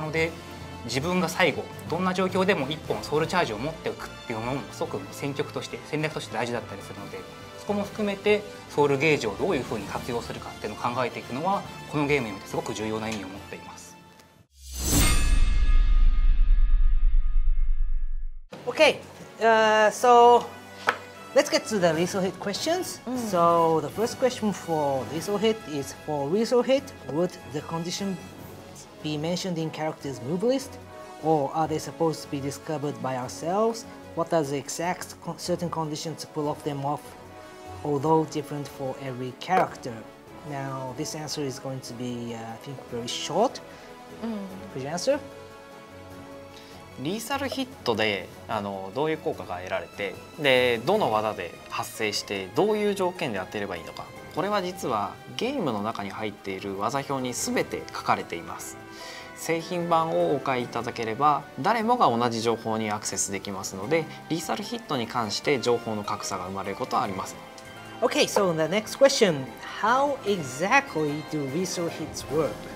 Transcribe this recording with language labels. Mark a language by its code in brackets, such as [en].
[ja] なので自分が最後どんな状況でも1本ソウルチャージを持っておくっていうのもすごく戦局として戦略として大事だったりするので、そこも含めてソウルゲージをどういうふうに活用するかっていうのを考えていくのはこのゲームにおいてすごく重要な意味を持っています。 [en] OK、so let's get to the lethal hit questions、So the first question for lethal hit is, for lethal hit, would the conditionbe mentioned in character's move list, or are they supposed to be discovered by ourselves? What are the exact certain conditions to pull off them off, although different for every character? Now, this answer is going to be, I think, very short. Could you answer? [ja] リーサルヒットでどういう効果が得られて、でどの技で発生して、どういう条件で当てればいいのか、これは実はゲームの中に入っている技表に全て書かれています。製品版をお買いいただければ誰もが同じ情報にアクセスできますので、リーサルヒットに関して情報の格差が生まれることはありません。 [en] OK, so the next question, how exactly do lethal hits work?